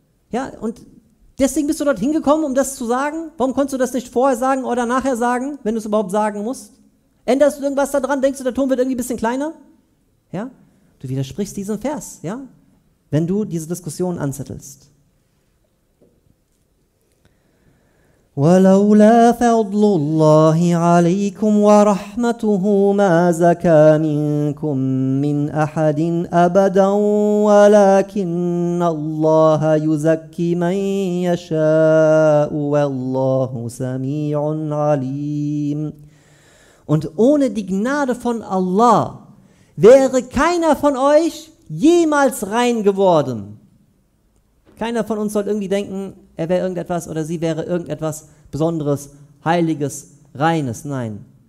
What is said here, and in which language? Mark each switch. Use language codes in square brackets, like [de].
[de] Ja, und deswegen bist du dort hingekommen, um das zu sagen? Warum konntest du das nicht vorher sagen oder nachher sagen, wenn du es überhaupt sagen musst? Änderst du irgendwas daran? Denkst du, der Turm wird irgendwie ein bisschen kleiner? Ja? Du widersprichst diesem Vers, ja? Wenn du diese Diskussion anzettelst. [ar] ولولا فضل الله عليكم ورحمته ما زكى منكم من أحد أبدا ولكن الله يزكي من يشاء والله سميع عليم. [de] Und ohne die Gnade von Allah wäre keiner von euch jemals rein geworden. Keiner von uns soll irgendwie denken, er wäre irgendetwas oder sie wäre irgendetwas Besonderes, Heiliges, Reines. Nein.